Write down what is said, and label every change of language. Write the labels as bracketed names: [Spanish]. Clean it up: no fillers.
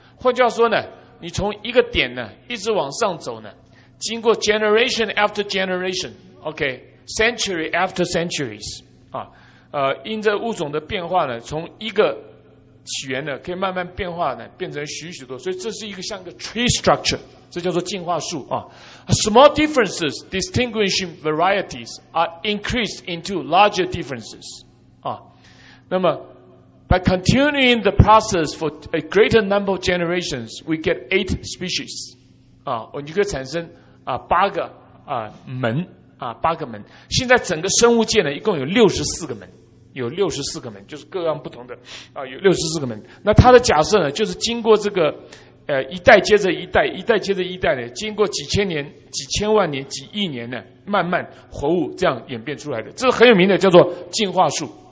[Chinese] 换句话说呢，你从一个点呢，一直往上走呢，经过 [English] generation after generation， [Chinese] OK， [English] century after centuries [Chinese] 啊。因着物种的变化呢，从一个起源呢，可以慢慢变化呢，变成许许多，所以这是一个像个 [English] tree structure， [Chinese] 这叫做进化树啊。 [English] Small differences distinguishing varieties are increased into larger differences 啊。 [Chinese] 那么 [English] by continuing the process for a greater number of generations, we get 8 species 啊， [Chinese] 你可以产生啊8个啊门啊，八个门。现在整个生物界呢，一共有64个门，有64个门，就是各样不同的啊，有64个门。那他的假设呢，就是经过这个一代接着一代，一代接着一代的，经过几千年、几千万年、几亿年呢，慢慢活物这样演变出来的，这是很有名的，叫做进化树。